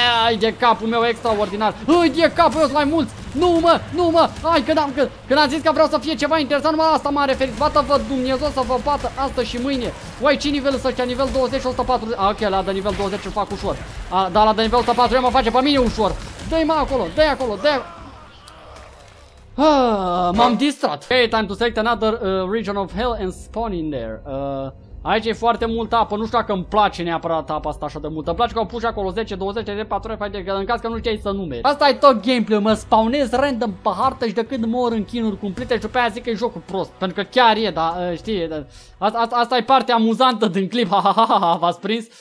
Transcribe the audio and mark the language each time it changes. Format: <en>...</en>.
<ro>Ai de capul meu, extraordinar. Ai de capul meu, sunt mai mulți. Nu mă, hai că când am zis că vreau să fie ceva interesant, numai asta m-a referit. Bată-vă Dumnezeu să vă bată astăzi și mâine. Uai, ce nivel sunt ăștia? Nivel 20 și 140. Ok, la de nivel 20 îl fac ușor. Dar la de nivel 140 mă face pe mine ușor. Dă-i mă acolo, dă-i acolo, dă-i acolo. M-am distrat.</ro> <en>Ok, time to select another region of hell and spawn in there.</en> <ro>Aici e foarte multă apă, nu știu dacă îmi place neapărat apa asta așa de multă. Îmi place că au pus și acolo 10, 20, 30, 40, 50, în caz că nu știai să numeri. Asta e tot gameplay, mă spawnez random pe hartă și de când mor în chinuri cumplite și pe aia zic că e jocul prost. Pentru că chiar e, dar știi, asta e partea amuzantă din clip, v-ați prins?</ro>